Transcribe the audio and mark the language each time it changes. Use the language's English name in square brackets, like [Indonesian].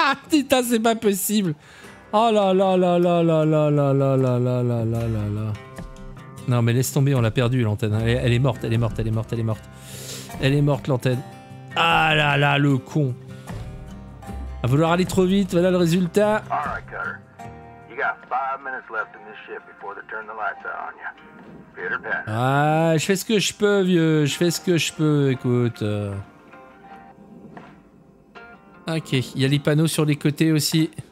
[French] Putain, c'est pas possible. Oh là là là là là là là là là là là là là là. Non, mais laisse tomber, on l'a perdu l'antenne. Elle est morte. Elle est morte l'antenne. Ah là là, le con. À vouloir aller trop vite, voilà le résultat. [English] All right, Cutter. You got 5 minutes left in this ship before they turn the lights out on you. [French] Ah, je fais ce que je peux, vieux. Je fais ce que je peux, écoute. Ok, il y a les panneaux sur les côtés aussi.